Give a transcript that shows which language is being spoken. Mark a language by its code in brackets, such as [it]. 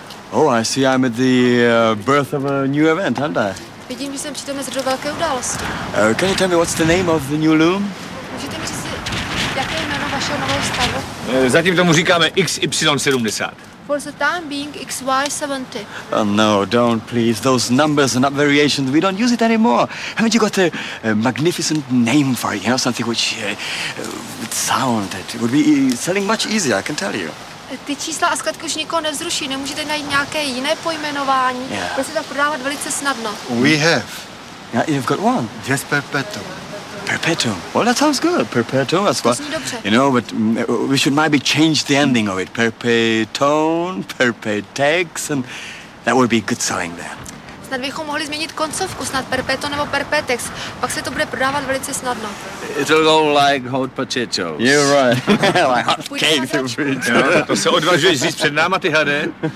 [en] Oh, I see I'm at the birth of a new event, aren't I? [cs] Vidím, že jsem přitom zrovna velké události. [en] Can you tell me what's the name of the new loom? [cs] Můžete mi říct, jaké jméno vašeho nového stavu? Zatím tomu říkáme XY70. [en] For the time being, XY70. Oh no, don't please. Those numbers and variations, we don't use it anymore. Haven't you got a magnificent name for it? You know, something which would sound, it would be selling much easier, I can tell you. [cs] Ty čísla a zkratky už nikoho nevzruší. Nemůžete najít nějaké jiné pojmenování? [en] Yeah. [cs] Bude se to prodávat velice snadno. [en] We have. Yeah, you've got one. Yes, perpetuum. Perpetuum. Well, that sounds good. Perpetuum. That's what. You know, but we should maybe change the ending of it. Perpetuum, perpetex, and that would be good selling then. Snad bychom mohli změnit koncovku, snad perpeto nebo perpetex. Pak se to bude prodávat velice snadno. It'll go like hot potatoes. You're right. Like hot cakes. [cs] To se odvažuješ říct před náma, ty hade.